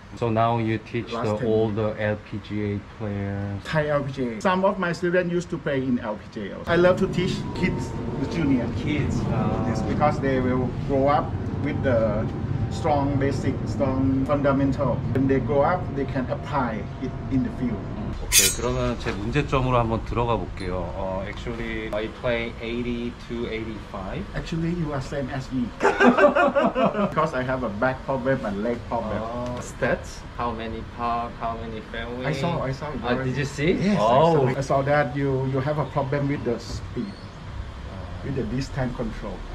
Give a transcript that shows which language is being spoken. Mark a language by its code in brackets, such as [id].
[en] So now you teach the older LPGA players? Thai LPGA. Some of my students used to play in LPGA also. I love to teach kids, the junior kids. It's because they will grow up with the strong basic, strong fundamental. When they grow up, they can apply it in the field. [ko] Okay, 그러면 제 문제점으로 한번 들어가 볼게요. [en] Actually, I play 80 to 85. Actually, you are same as me. Because I have a back problem and leg problem. Stats? How many park? How many fairway? I saw. Did you see? Yes. I saw that you have a problem with the speed, with the distance control.